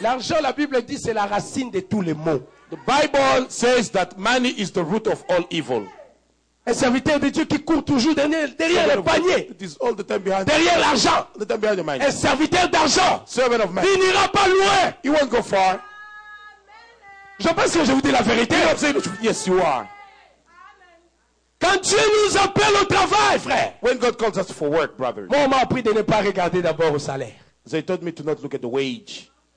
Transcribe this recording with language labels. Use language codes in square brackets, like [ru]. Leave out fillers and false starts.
[fr] L'argent, la Bible dit, c'est la racine de tous les maux. [en] The Bible says that money is the root of all evil. [fr] Un serviteur de Dieu qui court toujours derrière le panier. [en] It is all the time behind. [fr] Derrière l'argent. [en] The time behind the money. [fr] Un serviteur d'argent. [en] Servant of man. [fr] Il n'ira pas loin. [en] He won't go far. [fr] Je pense que je vous dis la vérité. [en] Yes, you are. [fr] Quand Dieu nous appelle au travail, frère. [en] When God calls us for work, brother. [fr] Moi, on m'a appris de ne pas regarder d'abord au salaire. [en] They told me to not look at the wage.